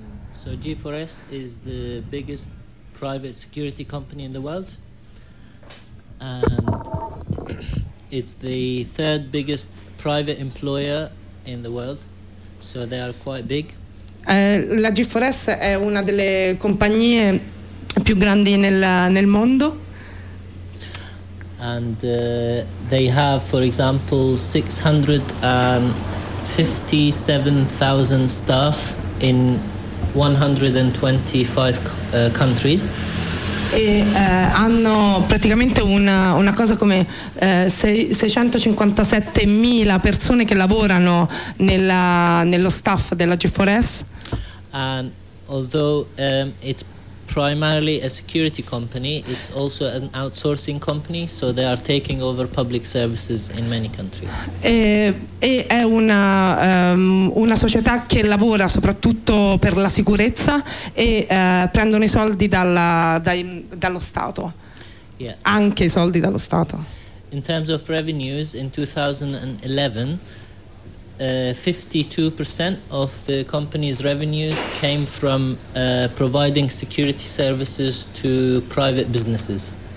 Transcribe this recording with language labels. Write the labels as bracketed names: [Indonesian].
[English] So G4S is the biggest private security company in the world, and it's the third biggest private employer in the world, so they are quite big. [Italian] La G4S è una delle compagnie più grandi nel mondo. [English] And they have, for example, 657,000 staff in 125 countries. [Italian] E hanno praticamente una cosa come 657,000 persone che lavorano nello staff della G4S. [English] And although it's primarily a security company, it's also an outsourcing company, so they are taking over public services in many countries. [Italian] E è una società che lavora soprattutto per la sicurezza e prendono i soldi dallo Stato. [English] Yeah. [Italian] Anche i soldi dallo Stato. [English] In terms of revenues, in 2011, 52% of the company's revenues came from providing security services to private businesses.